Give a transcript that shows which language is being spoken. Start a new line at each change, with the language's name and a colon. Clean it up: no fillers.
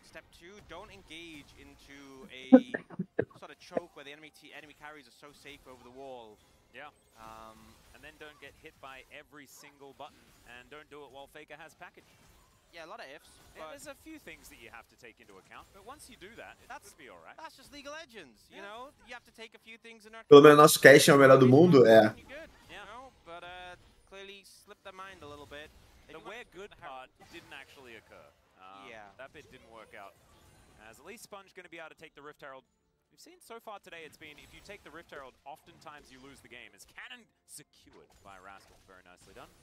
English: Step two, don't engage into a sort of choke where the enemy carries are so safe over the wall. Yeah. And then don't get hit by every single button. And don't do it while Faker has package. Yeah, a lot of ifs. Yeah, there's a few things that you have to take into account. But once you do that, that's be all right. That's just League of Legends, you know? You have to take a few things in our...
Portuguese: Pelo menos nosso cash é o melhor do mundo, é.
English: Yeah. But, clearly slipped their mind a little bit. The we're good part didn't actually occur. Yeah. That bit didn't work out. As at least Sponge going to be able to take the Rift Herald. We've seen so far today it's been, if you take the Rift Herald, oftentimes you lose the game. As Cannon secured by Rascal. Very nicely done.